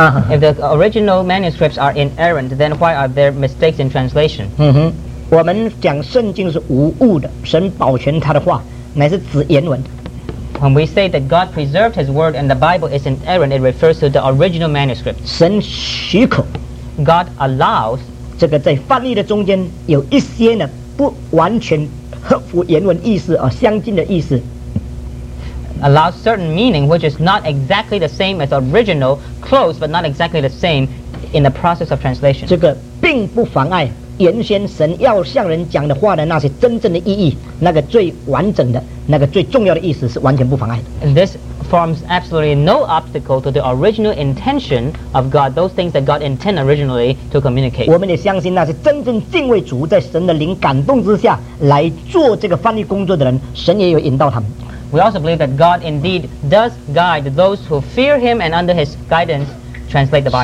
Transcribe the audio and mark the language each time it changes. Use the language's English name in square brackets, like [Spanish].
[English] If the original manuscripts are inerrant, then why are there mistakes in translation? [Chinese] 嗯哼，我们讲圣经是无误的，神保全他的话，乃是指原文。 [English] When we say that God preserved His word and the Bible is inerrant, it refers to the original manuscript. [Chinese] 神许可 [English] ，God allows [Chinese] 这个在翻译的中间有一些呢不完全合乎原文意思而相近的意思。 [English] Allows certain meaning which is not exactly the same as original, close but not exactly the same in the process of translation. [Chinese] 这个并不妨碍原先神要向人讲的话的那些真正的意义，那个最完整的，那个最重要的意思是完全不妨碍的。 [English] This forms absolutely no obstacle to the original intention of God, those things that God intended originally to communicate. [Chinese] 我们也相信那些真正敬畏主在神的灵感动之下来做这个翻译工作的人，神也有引导他们。 [English] We also believe that God indeed does guide those who fear Him and under His guidance translate the Bible.